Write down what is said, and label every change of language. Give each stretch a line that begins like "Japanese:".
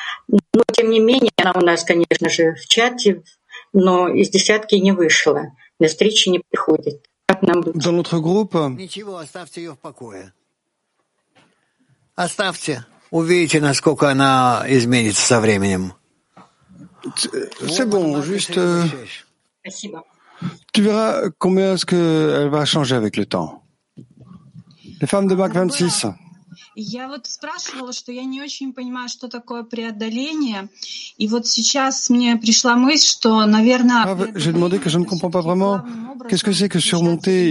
Russian: Но, тем не менее, она у нас, конечно же, в чате, но из десятки не вышла, на встречи не приходит. Как нам быть? Группа... Ничего, оставьте ее в покое. Оставьте. Увидите, насколько она изменится со временем.
French: C'est bon, juste...
Russian: Спасибо.
French: Tu verras combien est-ce qu'elle va changer avec le temps. Les femmes de Mac 26.
Russian: Я вот спрашивала, что я не очень понимаю, что такое преодоление. И вот сейчас мне пришла мысль, что, наверное...
French: Ah, j'ai demandé que je ne comprends pas vraiment qu'est-ce que c'est que surmonter.